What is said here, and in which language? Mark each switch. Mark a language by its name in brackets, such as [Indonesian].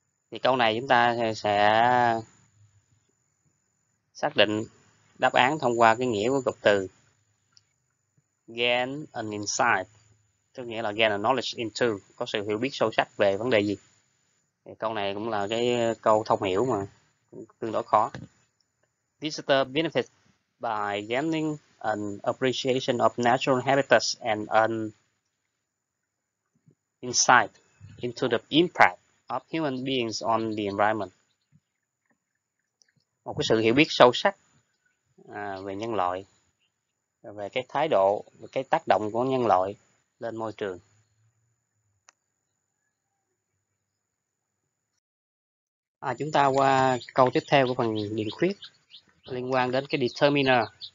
[Vietnamese] Thì câu này chúng ta sẽ xác định đáp án thông qua cái nghĩa của cụm từ [English] gain and insight, [Vietnamese] tức nghĩa là [English] gain and knowledge into, [Vietnamese] có sự hiểu biết sâu sắc về vấn đề gì. Câu này cũng là cái câu thông hiểu mà cũng tương đối khó. [English] Visitor benefit by gaining an appreciation of natural habitats and an insight into the impact of human beings on the environment. [Vietnamese] Một cái sự hiểu biết sâu sắc về nhân loại, về cái thái độ, về cái tác động của nhân loại lên môi trường. Chúng ta qua câu tiếp theo của phần điền khuyết liên quan đến cái determiner.